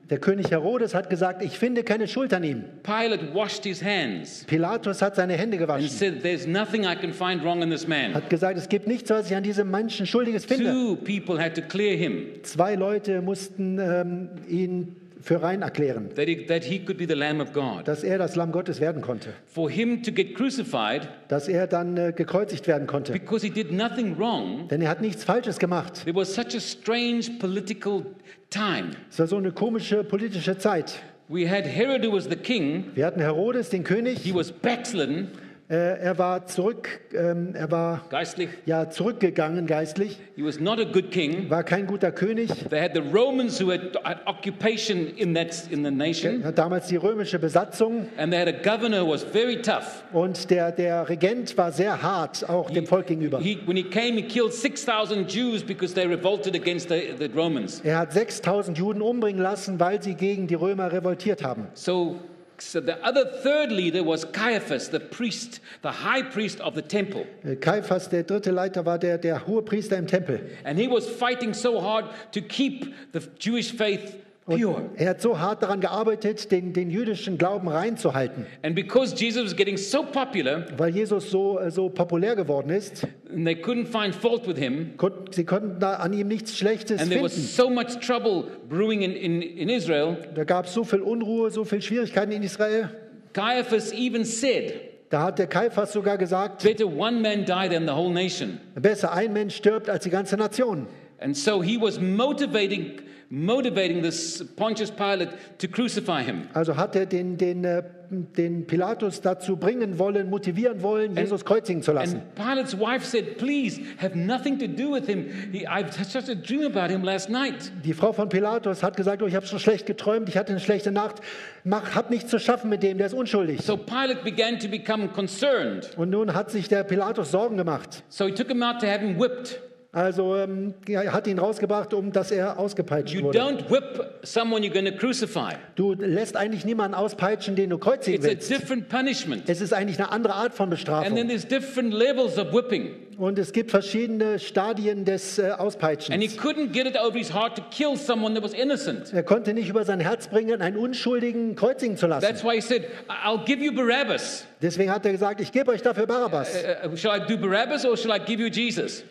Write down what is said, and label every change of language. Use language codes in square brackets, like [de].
[de] Der König Herodes hat gesagt, ich finde keine Schuld an ihm. [en] Pilate washed his hands. [de] Pilatus hat seine Hände gewaschen. [en] And said there's nothing I can find wrong in this man. [de] Hat gesagt, es gibt nichts, was ich an diesem Menschen Schuldiges finde. [en] Two people had to clear him. [de] Zwei Leute mussten ihn für rein erklären. [en] That he could be the Lamb of God. [de] Dass er das Lamm Gottes werden konnte. [en] For him to get crucified. [de] Dass er dann gekreuzigt werden konnte. [en] Because he did nothing wrong. [de] Denn er hat nichts Falsches gemacht. [en] It was such a strange political time. [de] Es war so eine komische politische Zeit. [en] We had Herod, who was the king. [de] Wir hatten Herodes, den König. [en] He was backslidden. [de] Er war zurück. Er war geistlich. Ja, zurückgegangen geistlich. [en] He was not a good king. [de] War kein guter König. [en] They had the Romans who had occupation in the nation. [de] Er hatte damals die römische Besatzung. [en] And they had a governor who was very tough. [de] Und der Regent war sehr hart auch dem Volk gegenüber. [en] When he came, he killed 6,000 Jews because they revolted against the Romans. [de] Er hat 6,000 Juden umbringen lassen, weil sie gegen die Römer revoltiert haben. [en] So the other third leader was Caiaphas, the priest, the high priest of the temple. [de] Caiaphas, der dritte Leiter, war der hohe Priester im Tempel. [en] And he was fighting so hard to keep the Jewish faith pure. [de] Und er hat so hart daran gearbeitet, den jüdischen Glauben reinzuhalten. [en] And because Jesus was getting so popular, [de] weil Jesus so populär geworden ist, [en] and they couldn't find fault with him. [de] Sie konnten da an ihm nichts Schlechtes finden. [en] And there was so much trouble brewing in Israel. [de] Da gab es so viel Unruhe, so viel Schwierigkeiten in Israel. [en] Caiaphas even said, [de] da hat der Caiaphas sogar gesagt, [en] better one man die than the whole nation. [de] Besser ein Mensch stirbt als die ganze Nation. [en] And so he was motivating this Pontius Pilate to crucify him. [de] Also hat er den Pilatus dazu bringen wollen, motivieren wollen, Jesus kreuzigen zu lassen. [en] And Pilate's wife said, please have nothing to do with him. I've had such a dream about him last night. [de] Die Frau von Pilatus hat gesagt, oh, ich habe so schlecht geträumt, ich hatte eine schlechte Nacht. Hab nichts zu schaffen mit dem, der ist unschuldig. [en] So Pilate began to become concerned. [de] Und nun hat sich der Pilatus Sorgen gemacht. [en] So he took him out to have him whipped. [de] Also hat ihn rausgebracht, um dass er ausgepeitscht [en] you [de] wurde. [en] Don't whip someone you're gonna crucify. [de] Du lässt eigentlich niemanden auspeitschen, den du kreuzigen [en] it's [de] willst. [en] A different punishment. [de] Es ist eigentlich eine andere Art von Bestrafung. [en] And then there's different levels of whipping. [de] Und es gibt verschiedene Stadien des Auspeitschens. [en] And he couldn't get it out of his heart to kill someone that was innocent. [de] Er konnte nicht über sein Herz bringen, einen Unschuldigen kreuzigen zu lassen. [en] That's why he said, I'll give you Barabbas. [de] Deswegen hat er gesagt, ich gebe euch dafür Barabbas. [en] Shall I do Barabbas or shall I give you Jesus?